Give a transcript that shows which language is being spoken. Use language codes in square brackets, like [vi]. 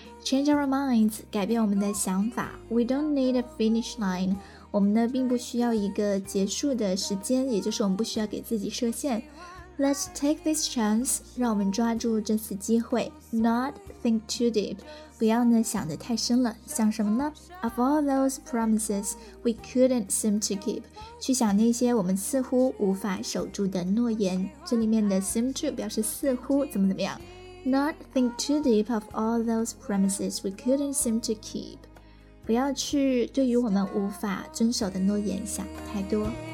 [en] Change our minds， [zh] 改变我们的想法。 [en] We don't need a finish line， [zh] 我们呢并不需要一个结束的时间，也就是我们不需要给自己设限。 [en] Let's take this chance， [zh] 让我们抓住这次机会。 [en] Not think too deep， [zh] 不要呢想得太深了。想什么呢？ [en] Of all those promises we couldn't seem to keep， [zh] 去想那些我们似乎无法守住的诺言。这里面的 seem to 表示似乎怎么怎么样。 [en] Not think too deep of all those promises we couldn't seem to keep， [zh] 不要去对于我们无法遵守的诺言想太多。